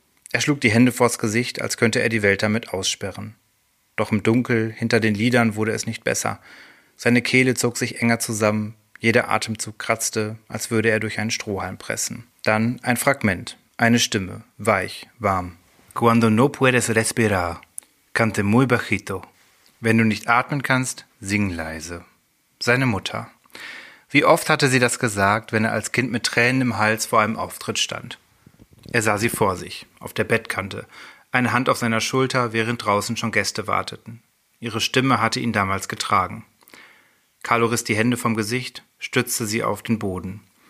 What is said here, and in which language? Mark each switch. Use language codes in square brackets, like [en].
[de] Er schlug die Hände vors Gesicht, als könnte er die Welt damit aussperren. Doch im Dunkel, hinter den Lidern, wurde es nicht besser. Seine Kehle zog sich enger zusammen. Jeder Atemzug kratzte, als würde er durch einen Strohhalm pressen. Dann ein Fragment, eine Stimme, weich, warm. [es] Cuando no puedes respirar, cante muy bajito. [de] Wenn du nicht atmen kannst, sing leise. Seine Mutter. Wie oft hatte sie das gesagt, wenn er als Kind mit Tränen im Hals vor einem Auftritt stand? Er sah sie vor sich, auf der Bettkante, eine Hand auf seiner Schulter, während draußen schon Gäste warteten. Ihre Stimme hatte ihn damals getragen. Carlo riss die Hände vom Gesicht, stützte sie auf den Boden.